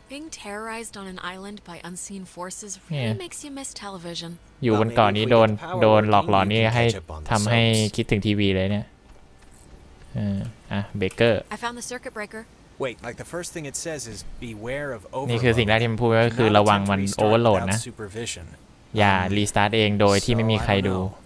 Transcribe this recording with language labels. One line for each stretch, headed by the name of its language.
English: Being terrorized on an island by unseen forces really makes you miss television.
Thai: อยู่บนเกาะนี้โดนหลอกหลอนนี่ให้ทำให้คิดถึงทีวีเลยเนี่ยเบเกอร์
English: I found the circuit breaker. Wait, like the first thing it says is beware of overload.
Thai: นี่คือสิ่งแรกที่มันพูดก็คือระวังมันโอเวอร์โหลดนะอย่ารีสตาร์ทเองโดยที่ไม่มีใครดู